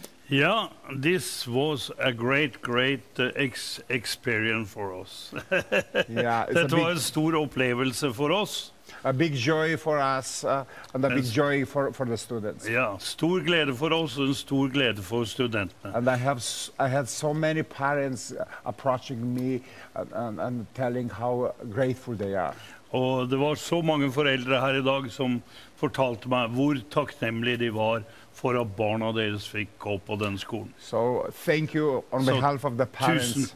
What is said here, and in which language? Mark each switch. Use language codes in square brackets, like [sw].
[en] Yeah, this was a great experience for us. Yeah, it's that was a [no] stor opplevelse [en] for us. A big joy for us and a big joy for the students. [no] Yeah, stor glede for oss og stor glede for studentene. [en] And I had so many parents approaching me and telling how grateful they are. [no] Og det var så mange foreldre her I dag som fortalte meg hvor takknemlige de var for at barna deres fikk gå på den skolen. [en] So thank you on behalf of the parents.